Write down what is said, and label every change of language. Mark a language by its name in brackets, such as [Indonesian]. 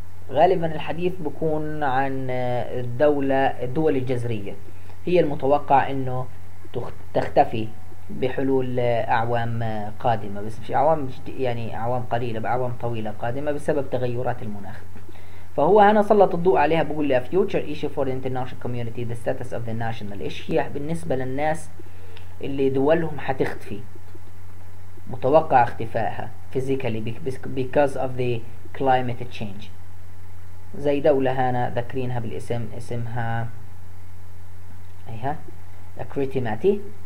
[Arabic] غالبا الحديث بكون عن الدول الجزرية هي المتوقع انه تختفي بحلول اعوام قادمة, بس مش اعوام, يعني اعوام قليلة, بأعوام طويلة قادمة بسبب تغيرات المناخ. فهو هنا سلط الضوء عليها, بقول لي [English] a future issue for the international community, the status of the national. [Arabic] ايش هي بالنسبة للناس اللي دولهم حتختفي, متوقع اختفائها [English] physically because of the climate change. [Arabic] زي دولة هنا ذكرينها بالاسم, اسمها ايها كريتيماتي.